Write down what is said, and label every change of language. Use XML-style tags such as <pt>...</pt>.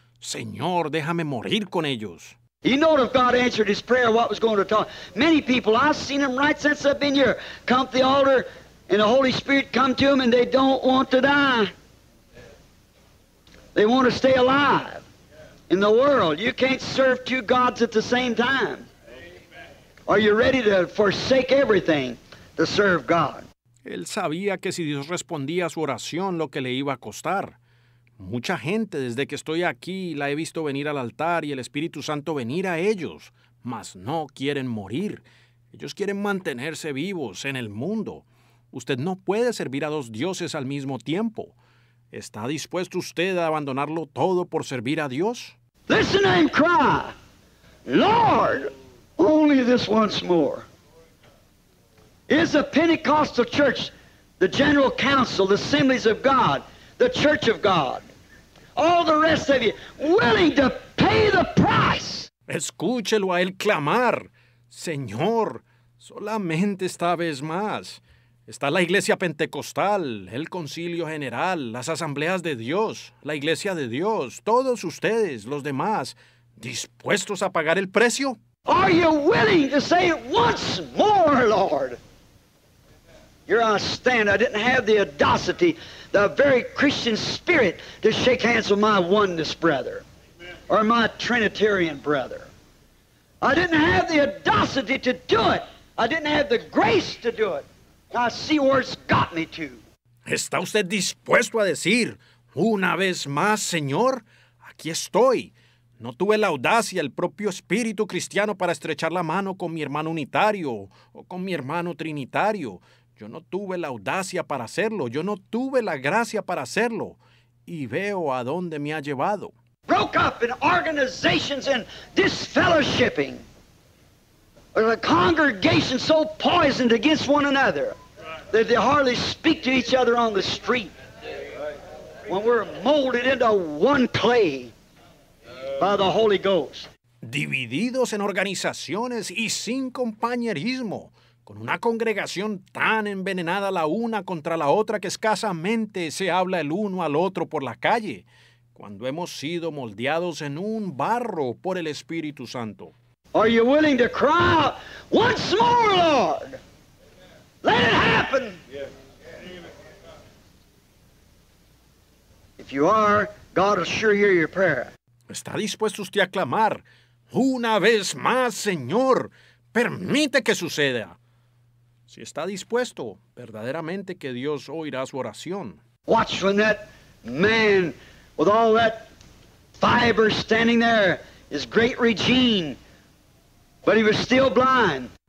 <es>Señor, déjame morir con ellos.</es> <en>You know if God answered his prayer, what was going to talk. Many people, I've seen them right since I've been here, come to the altar and the Holy Spirit come to them and they don't want to die. They want to stay alive in the world. You can't serve two gods at the same time. Are you ready to forsake everything to serve God?</en> <es>Él sabía que si Dios respondía a su oración, lo que le iba a costar. Mucha gente, desde que estoy aquí, la he visto venir al altar y el Espíritu Santo venir a ellos, mas no quieren morir. Ellos quieren mantenerse vivos en el mundo. Usted no puede servir a dos dioses al mismo tiempo. ¿Está dispuesto usted a abandonarlo todo por servir a Dios?</es> <en>Listen to him cry, Lord, only this once more. Is the Pentecostal church, the general council, the assemblies of God, the church of God, all the rest of you, willing to pay the price?</en> <es>Escúchelo a él clamar, Señor, solamente esta vez más. Está la iglesia pentecostal, el concilio general, las asambleas de Dios, la iglesia de Dios, todos ustedes, los demás, ¿dispuestos a pagar el precio?</es> <en>Are you willing to say it once more, Lord? Here I stand. I didn't have the audacity, the very Christian spirit, to shake hands with my oneness brother or my Trinitarian brother. I didn't have the audacity to do it. I didn't have the grace to do it. I see where it's got me to.</en> <es>¿Está usted dispuesto a decir, una vez más, Señor, aquí estoy? No tuve la audacia, el propio espíritu cristiano para estrechar la mano con mi hermano unitario o con mi hermano trinitario. Yo no tuve la audacia para hacerlo. Yo no tuve la gracia para hacerlo. Y veo a dónde me ha llevado.</es> <en>Broke up in organizations and disfellowshipping. A congregation so poisoned against one another that they hardly speak to each other on the street. When we're molded into one clay by the Holy Ghost.</en> <es>Divididos en organizaciones y sin compañerismo, con una congregación tan envenenada la una contra la otra que escasamente se habla el uno al otro por la calle, cuando hemos sido moldeados en un barro por el Espíritu Santo.</es> <en>Are you willing to cry out once more, Lord? Let it happen. If you are, God will sure hear your prayer.</en> <es>¿Está dispuesto usted a clamar una vez más, Señor? Permite que suceda. Si está dispuesto, verdaderamente que Dios oirá su oración.</es> <en>Watch when that man with all that fiber standing there, his great regime, but he was still blind.</en>